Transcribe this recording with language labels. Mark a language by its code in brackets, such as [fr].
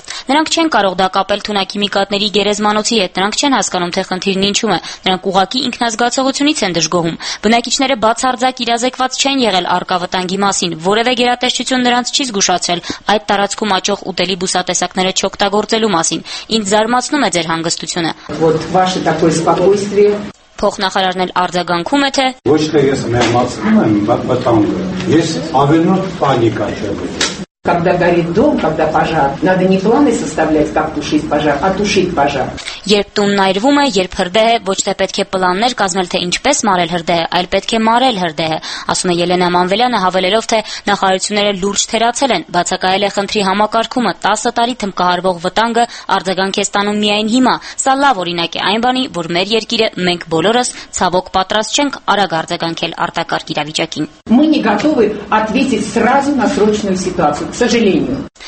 [hy] Նրանք չեն կարող դա կապել թունաքիմիկատների գերեզմանոցի հետ, նրանք չեն հասկանում, թե խնդիրն ինչու է, նրանք ուղղակի ինքնազգացողությունից են դժգոհում։ Բնակիչները բացարձակ իրազեկված չեն եղել առկա վտանգի մասին, որևէ գերատեսչություն նրանց չի զգուշացրել այդ տարածքում աճող ուտելի բուսատեսակները չօգտագործելու մասին։ Ինձ զարմացնում է ձեր հանգստությունը։ Փոխնախարարն էլ արձագանքում է, թե ոչ թե ես մեղմացնում եմ վտանգը, ես ավելնոտ պանիկա չեմ ուզում։ [ru] Когда горит дом, когда пожар, надо не планы составлять, как тушить пожар, а тушить пожар. [hy] Երբ տունն այրվում է, երբ հրդեհ է, ոչ թե պետք է պլաններ կազմել, թե ինչպես մարել հրդեհը, այլ պետք է մարել հրդեհը, ասում է Ելենա Մանվելյանը, հավելելով, թե նախարարությունները լուրջ թերացել են, բացակայել է խնդրի համակարգումը, 10 տարի թմբկահարվող վտանգը արձագանք է ստանում միայն հիմա։ Սա լավ օրինակ է այն բանի, որ մեր երկիրը, մենք բոլորս ցավոք պատրաստ չենք արագ արձագանքել արտակարգ իրավիճակին։